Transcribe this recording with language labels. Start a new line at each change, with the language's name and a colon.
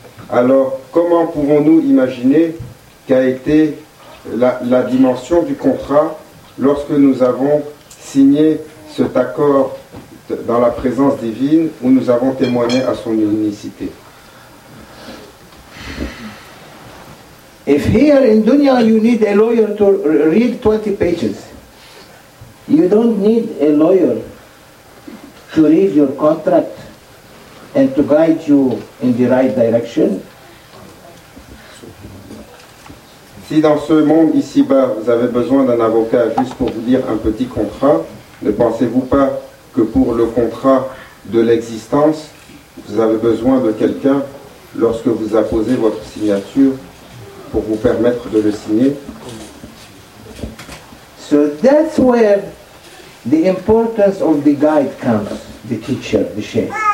French: Alors, comment pouvons-nous imaginer qu'a été la dimension du contrat lorsque nous avons signé cet accord dans la présence divine où nous avons témoigné à son unicité?
English: If here in dunya you need a lawyer to read 20 pages, you don't need a lawyer to read your contract and to guide you in the right direction.
French: Si dans ce monde ici-bas, vous avez besoin d'un avocat juste pour vous lire un petit contrat, ne pensez-vous pas que pour le contrat de l'existence, vous avez besoin de quelqu'un lorsque vous apposez votre signature pour vous permettre de le signer?
English: So that's where the importance of the guide comes, the teacher, the sheikh.